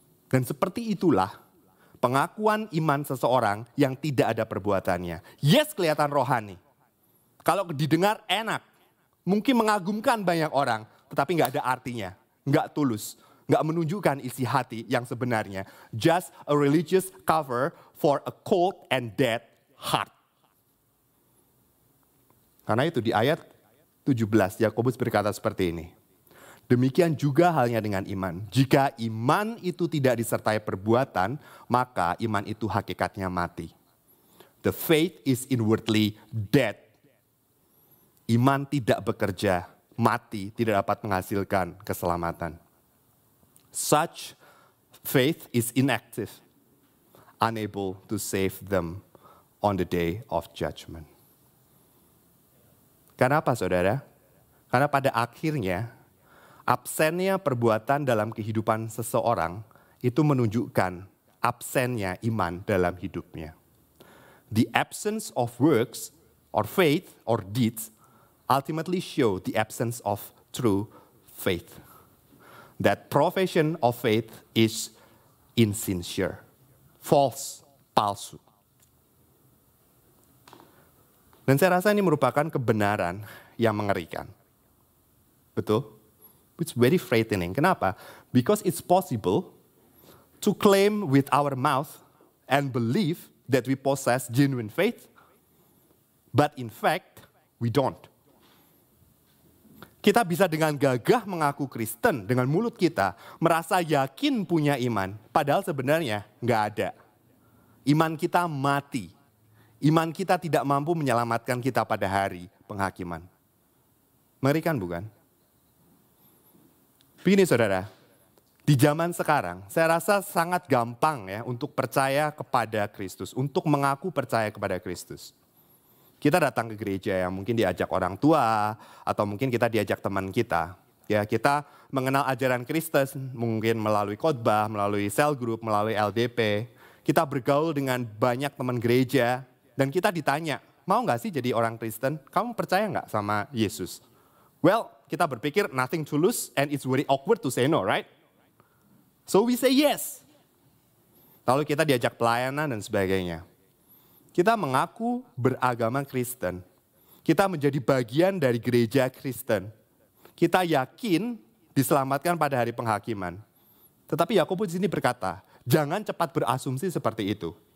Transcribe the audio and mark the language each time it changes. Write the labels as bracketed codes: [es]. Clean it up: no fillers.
[id] Dan seperti itulah pengakuan iman seseorang yang tidak ada perbuatannya. Yes, kelihatan rohani. Kalau didengar enak, mungkin mengagumkan banyak orang, tetapi gak ada artinya, gak tulus, gak menunjukkan isi hati yang sebenarnya. [en] Just a religious cover for a cold and dead heart. [id] Karena itu di ayat 17, Yakobus berkata seperti ini. Demikian juga halnya dengan iman. Jika iman itu tidak disertai perbuatan, maka iman itu hakikatnya mati. [en] The faith is inwardly dead. [id] Iman tidak bekerja, mati, tidak dapat menghasilkan keselamatan. [en] Such faith is inactive, unable to save them on the day of judgment. [id] Kenapa, saudara? Karena pada akhirnya, absennya perbuatan dalam kehidupan seseorang itu menunjukkan absennya iman dalam hidupnya. [en] The absence of works or faith or deeds ultimately show the absence of true faith. That profession of faith is insincere, false, palsu. [id] Dan saya rasa ini merupakan kebenaran yang mengerikan. Betul? [en] It's very frightening. [id] Kenapa? [en] Because it's possible to claim with our mouth and believe that we possess genuine faith, but in fact, we don't. [id] Kita bisa dengan gagah mengaku Kristen dengan mulut kita, merasa yakin punya iman, padahal sebenarnya gak ada. Iman kita mati. Iman kita tidak mampu menyelamatkan kita pada hari penghakiman. Mengerikan bukan? Begini saudara, di zaman sekarang saya rasa sangat gampang ya untuk percaya kepada Kristus, untuk mengaku percaya kepada Kristus. Kita datang ke gereja yang mungkin diajak orang tua atau mungkin kita diajak teman kita. Ya, kita mengenal ajaran Kristus mungkin melalui khotbah, melalui cell group, melalui LDP. Kita bergaul dengan banyak teman gereja dan kita ditanya, mau gak sih jadi orang Kristen? Kamu percaya gak sama Yesus? [en] Well, [id] kita berpikir [en] nothing to lose and it's very awkward to say no, right? So we say yes. [id] Lalu kita diajak pelayanan dan sebagainya. Kita mengaku beragama Kristen. Kita menjadi bagian dari gereja Kristen. Kita yakin diselamatkan pada hari penghakiman. Tetapi Yakobus di sini berkata, jangan cepat berasumsi seperti itu.